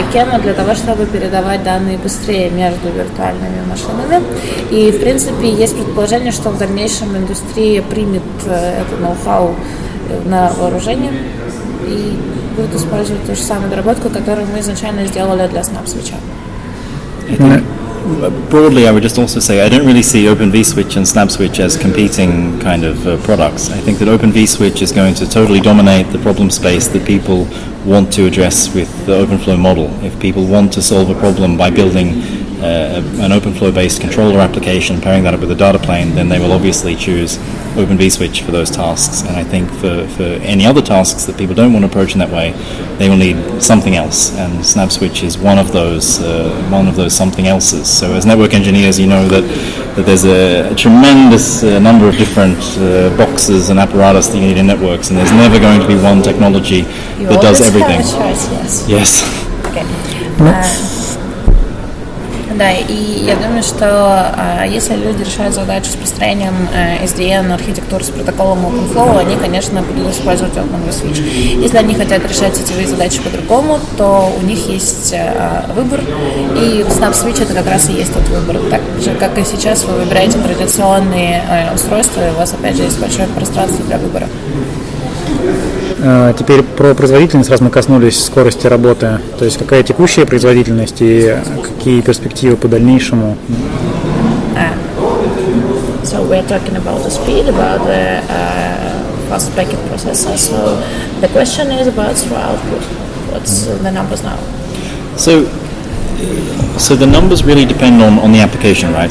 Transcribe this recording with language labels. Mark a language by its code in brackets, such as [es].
[ru] QEMU, для того, чтобы передавать данные быстрее между виртуальными машинами. И, в принципе, есть предположение, что в дальнейшем индустрия примет это ноу-хау на вооружение и будет использовать ту же самую доработку, которую мы изначально сделали для Snap Switch. [en] Broadly, I would just also say I don't really see Open vSwitch and Snap Switch as competing kind of products. I think that Open vSwitch is going to totally dominate the problem space that people want to address with the OpenFlow model. If people want to solve a problem by building an OpenFlow-based controller application, pairing that up with a data plane, then they will obviously choose Open vSwitch for those tasks. And I think for any other tasks that people don't want to approach in that way, they will need something else. And Snap Switch is one of those something else's. So as network engineers, you know that there's a tremendous number of different boxes and apparatus that you need in networks, and there's never going to be one technology that does everything. Choice, yes. Yes. Okay. [ru] Да, и я думаю, что если люди решают задачу с построением SDN архитектуры с протоколом OpenFlow, они, конечно, будут использовать OpenVSwitch. Если они хотят решать сетевые задачи по-другому, то у них есть выбор, и SnapSwitch — это как раз и есть тот выбор. Так же, как и сейчас, вы выбираете традиционные устройства, и у вас, опять же, есть большое пространство для выбора. Теперь про производительность, раз мы коснулись скорости работы. То есть какая текущая производительность и какие перспективы по дальнейшему? [en] So we're talking about the speed, about the fast packet processor. So the question is about throughput. What's the numbers now? So the numbers really depend on the application, right?